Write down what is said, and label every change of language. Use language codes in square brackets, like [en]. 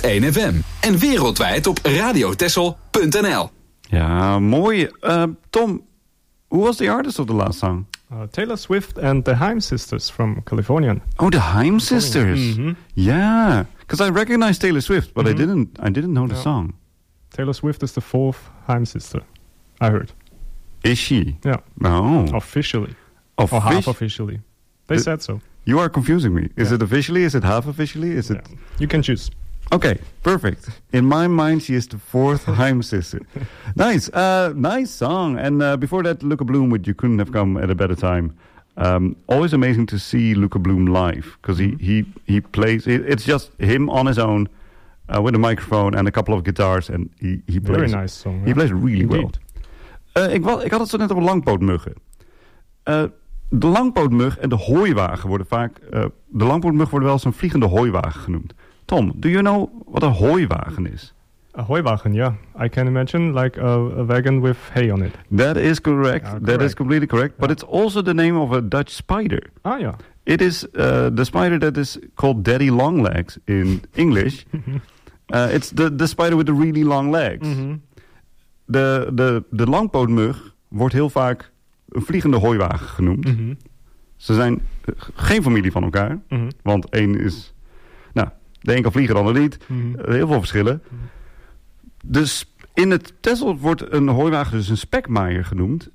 [nl] 106.1 FM en wereldwijd op radiotexel.nl. Ja, mooi. [en] Tom, [nl] hoe was de [en] artist of the last song? Taylor Swift and the Haim Sisters from California. Oh, the Haim Sisters. Mm-hmm. Yeah, because I recognized Taylor Swift, but mm-hmm. I didn't know the song. Taylor Swift is the fourth Haim Sister, I heard. Is she? Yeah. Oh. Officially. Or half officially. They said so. You are confusing me. Is it officially? Is it half officially? Is it? You can choose. Okay, perfect. In my mind, she is the fourth Haim Sister. Nice. Nice song. And before that, Luca Bloom, which you couldn't have come at a better time. Always amazing to see Luca Bloom live, because he plays. It's just him on his own with a microphone and a couple of guitars. And he plays. Very nice song. Yeah. He plays really well. [nl] Ik had het zo net over langpootmuggen. De langpootmug en de hooiwagen worden vaak... De langpootmug worden wel eens een vliegende hooiwagen genoemd. [en] Tom, do you know what a hooiwagen is? A hooiwagen, yeah. I can imagine like a wagon with hay on it. That is correct. Yeah, correct. That is completely correct. Yeah. But it's also the name of a Dutch spider. Ah, yeah. It is the spider that is called Daddy Long Legs in English. it's the spider with the really long legs. Mm-hmm. [nl] De langpootmug wordt heel vaak een vliegende hooiwagen genoemd. Mm-hmm. Ze zijn geen familie van elkaar. Mm-hmm. Want één is... Nou, de een kan vliegen, de ander niet. Mm-hmm. Heel veel verschillen. Mm-hmm. Dus in het Texel wordt een hooiwagen dus een spekmaaier genoemd.